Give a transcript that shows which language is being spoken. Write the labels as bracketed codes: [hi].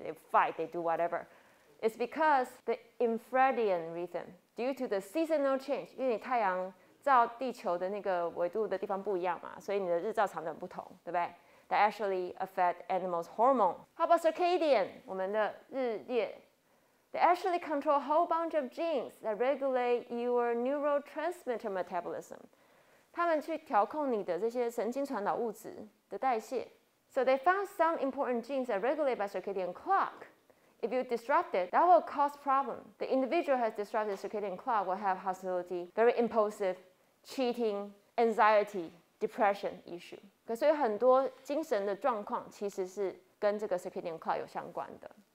[en] They fight, they do whatever. It's because the infradian rhythm, due to the seasonal change, [zh] 因为你太阳照地球的那个纬度的地方不一样嘛，所以你的日照长短不同，对不对？ [en] That actually affect animals' hormone. How about circadian, [zh] 我们的日夜 [en] They actually control a whole bunch of genes that regulate your neurotransmitter metabolism. [zh] 他们去调控你的这些神经传导物质的代谢。 [en] So they found some important genes that regulate by circadian clock. If you disrupt it, that will cause problem. The individual has disrupted circadian clock will have hostility, very impulsive, cheating, anxiety, depression issue. [zh] 所以很多精神的状况其实是跟这个 circadian clock 有相关的。